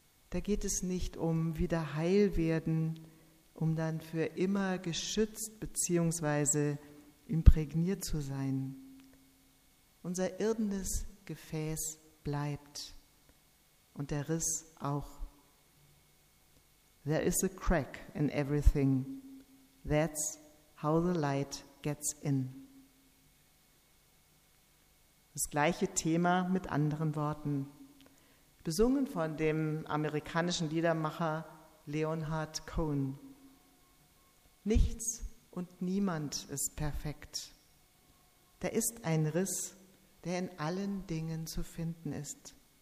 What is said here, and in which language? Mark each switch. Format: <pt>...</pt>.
<de>Da geht es nicht um wieder heil werden, um dann für immer geschützt bzw. imprägniert zu sein. Unser irdenes Gefäß bleibt und der Riss auch.</de> <en>There is a crack in everything. That's how the light gets in.</en> <de>Das gleiche Thema mit anderen Worten. Besungen von dem amerikanischen Liedermacher Leonard Cohen. Nichts und niemand ist perfekt. Da ist ein Riss, der in allen Dingen zu finden ist.</de>